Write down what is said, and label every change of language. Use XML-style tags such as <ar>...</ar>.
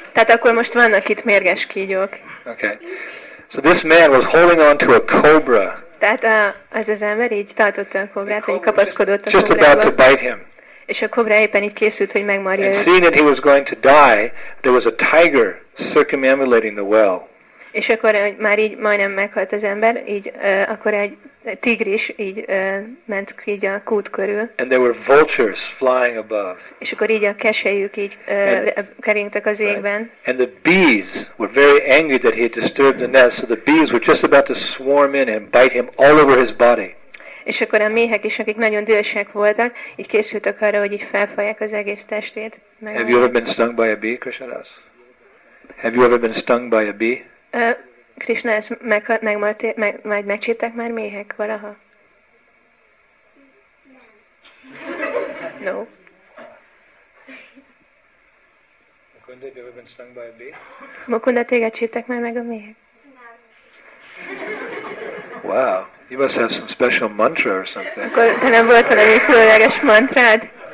<hu>Tehát akkor most vannak itt mérges kígyók.</hu> <en>Okay. So this man was holding on to a cobra.</en> <hu>Tehát az az ember így tartotta a kobrát, vagy kapaszkodott a</hu> <en>kobrába. Just about to bite him.</en> <hu>És a kobra éppen így készült, hogy megmarja őt.</hu> <en>And seeing that he was going to die, there was a tiger circumambulating the well.</en> <hu>És akkor már így majdnem meghalt az ember, így akkor egy tigris így ment így a kút körül.</hu> <en>And there were vultures flying above.</en> <hu>És akkor így a kesejük így keringtek az égben.</hu> <en>Right. And the bees were very angry that he had disturbed the nest, so the bees were just about to swarm in and bite him all over his body.</en> <hu>És akkor a méhek is, akik nagyon dühösek voltak, így készültek arra, hogy így felfalják az egész testét.</hu> <en>Meg Have you ever been stung by a bee, Krishna? Have you ever been stung by a bee?</en> <hu>Krishna, ezt megcsíptek már méhek valaha?</hu> <en>No. Mukunda, have you ever been stung by a bee?</en> <hu>Mukunda, téged csíptek már meg a méhek?</hu> <en>Wow, you must have some special mantra or something.</en> <hu>Akkor te nem volt valami különleges mantrád?</hu>